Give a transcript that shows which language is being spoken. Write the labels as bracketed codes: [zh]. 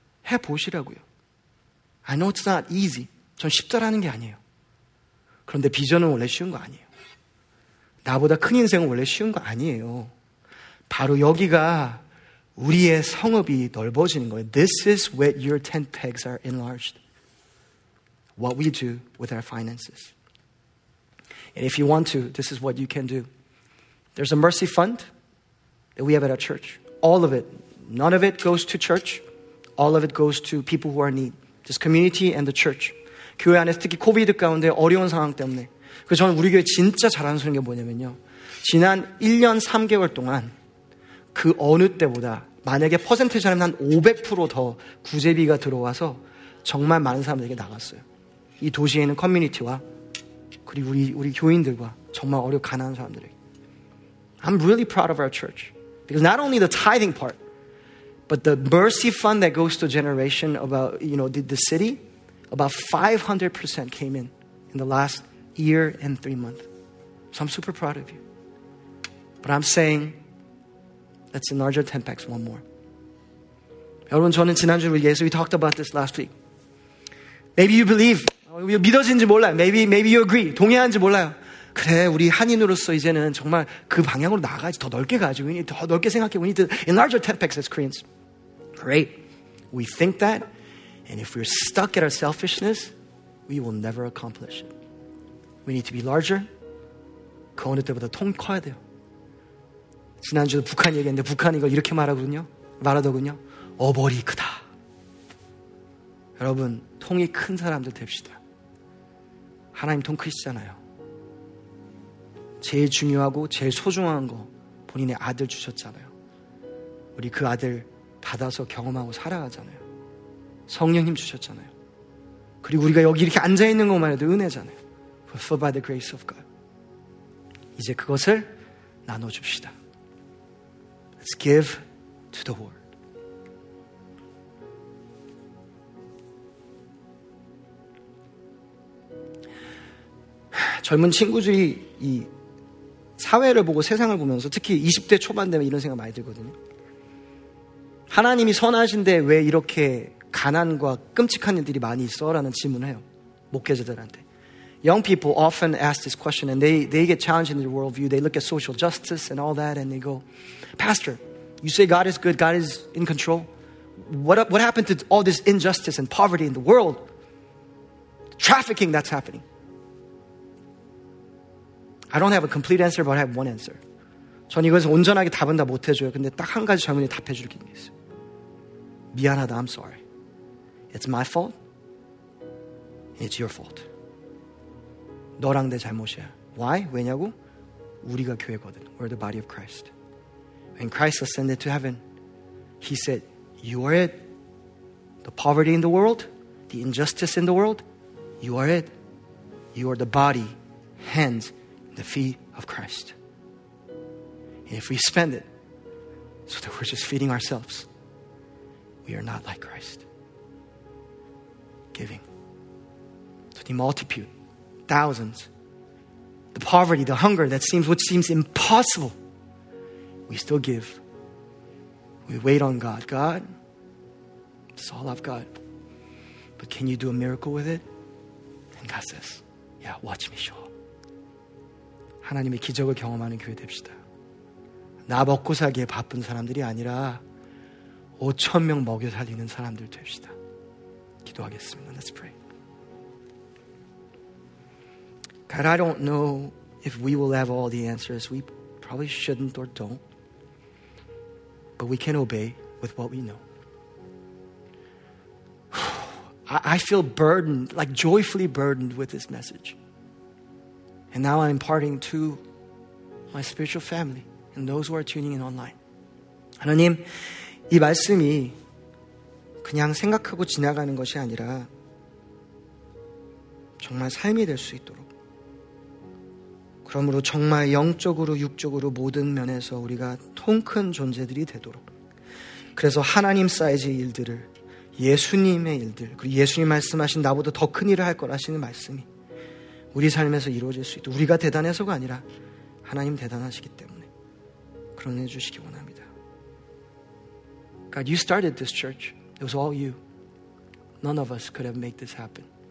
[ko] 해보시라고요. [en] I know it's not easy. [ko] 전 쉽다라는 게 아니에요. 그런데 비전은 원래 쉬운 거 아니에요. 나보다 큰 인생은 원래 쉬운 거 아니에요. 바로 여기가 우리의 성읍이 넓어지는 거예요. [en] This is where your tent pegs are enlarged. What we do with our finances. And if you want to, this is what you can do. There's a mercy fund that we have at our church. All of it. None of it goes to church. All of it goes to people who are in need. This community and the church. [ko] 교회 안에서 특히 코비드 가운데 어려운 상황 때문에. 그래서 저는 우리 교회 진짜 자랑스러운 게 뭐냐면요. 지난 1년 3개월 동안 그 어느 때보다 만약에 퍼센테이지라면 한 500% 더 구제비가 들어와서 정말 많은 사람들에게 나갔어요. 이 도시에 있는 커뮤니티와 그리고 우리 교인들과 정말 어려워 가난한 사람들에게. [en] I'm really proud of our church. Because not only the tithing part, but the mercy fund that goes to generation about, you know, the city, about 500% came in the last year and 3 months. So I'm super proud of you. But I'm saying, let's enlarge our tent pegs one more. [ko] 여러분, 저는 지난주에 우리 예수, [en] we talked about this last week. Maybe you believe, [ko] 믿어진지 몰라요. [en] Maybe you agree, [ko] 동의하는지 몰라요. 그래, 우리 한인으로서 이제는 정말 그 방향으로 나가야지. 더 넓게 가야지. [en] We need [ko] 더 넓게 생각해. [en] We need to enlarge our tent pegs as Koreans. Great. We think that. And if we're stuck at our selfishness, we will never accomplish it. We need to be larger. [ko] 그 어느 때보다 통 커야 돼요. 지난주에 북한 얘기했는데 북한이 이걸 이렇게 말하거든요. 말하더군요. 어벌이 크다. 여러분, 통이 큰 사람들 됩시다. 하나님 통 크시잖아요. 제일 중요하고 제일 소중한 거 본인의 아들 주셨잖아요. 우리 그 아들 받아서 경험하고 살아가잖아요. 성령님 주셨잖아요. 그리고 우리가 여기 이렇게 앉아있는 것만 해도 은혜잖아요. [en] Fulfilled by the grace of God. [ko] 이제 그것을 나눠줍시다. [en] Let's give to the world. [ko] 젊은 친구들이 이 사회를 보고 세상을 보면서 특히 20대 초반 되면 이런 생각 많이 들거든요. 하나님이 선하신데 왜 이렇게 가난과 끔찍한 일들이 많이 있어? 라는 질문을 해요. 목회자들한테. [en] Young people often ask this question and they get challenged in their worldview. They look at social justice and all that and they go, Pastor, you say God is good, God is in control. What happened to all this injustice and poverty in the world? Trafficking that's happening. I don't have a complete answer, but I have one answer. [ko] 전 이것을 온전하게 답은 다 못해줘요. 근데 딱 한 가지 젊은이 답해줄 게 있어요. 미안하다, [en] I'm sorry. It's my fault. It's your fault. [ko] 너랑 내 잘못이야. [en] Why? [ko] 왜냐고? 우리가 교회거든. [en] We're the body of Christ. When Christ ascended to heaven, he said, you are it. The poverty in the world, the injustice in the world, you are it. You are the body, hands, the feet of Christ. And if we spend it so that we're just feeding ourselves, we are not like Christ. Giving to the multitude, thousands, the poverty, the hunger that seems what seems impossible, we still give. We wait on God. God, it's all I've got. But can you do a miracle with it? And God says, yeah, watch me show. [ko] 하나님의 기적을 경험하는 교회 됩시다. 나 먹고 살기에 바쁜 사람들이 아니라 5천 명 먹여 살리는 사람들 됩시다. 기도하겠습니다. [en] Let's pray. God, I don't know if we will have all the answers. We probably shouldn't or don't. But we can obey with what we know. I feel burdened, like joyfully burdened with this message. And now I'm imparting to my spiritual family and those who are tuning in online. [ko] 하나님, 이 말씀이 그냥 생각하고 지나가는 것이 아니라 정말 삶이 될 수 있도록 그러므로 정말 영적으로 육적으로 모든 면에서 우리가 통 큰 존재들이 되도록, 그래서 하나님 사이즈의 일들을, 예수님의 일들, 그리고 예수님 말씀하신 나보다 더 큰 일을 할 거라시는 말씀이 우리 삶에서 이루어질 수 있도록, 우리가 대단해서가 아니라 하나님 대단하시기 때문에 그런 해주시기 원합니다. [en] God, you started this church. It was all you. None of us could have made this happen.